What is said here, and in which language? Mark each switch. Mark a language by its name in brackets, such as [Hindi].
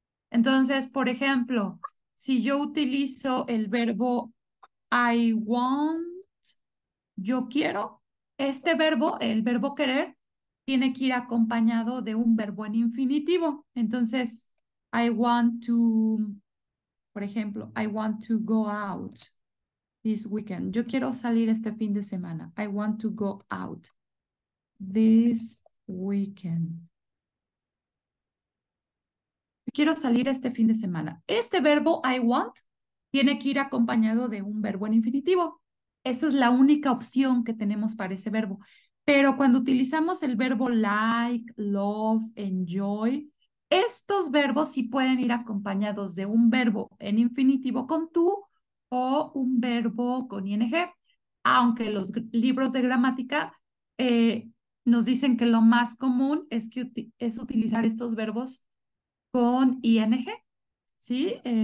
[Spanish] Entonces, por ejemplo, si yo utilizo el verbo I want, yo quiero, este verbo, el verbo querer, tiene que ir acompañado de un verbo en infinitivo. Entonces, [English] I want to, [Spanish] por ejemplo, [English] I want to go out this weekend. [Spanish] Yo quiero salir este fin de semana. [English] I want to go out this weekend. [Spanish] Quiero salir este fin de semana. Este verbo I want tiene que ir acompañado de un verbo en infinitivo. Esa es la única opción que tenemos para ese verbo. Pero cuando utilizamos el verbo like, love, enjoy, estos verbos sí pueden ir acompañados de un verbo en infinitivo con to o un verbo con ing, aunque los libros de gramática nos dicen que lo más común es que uti es utilizar estos verbos con ing, ¿sí?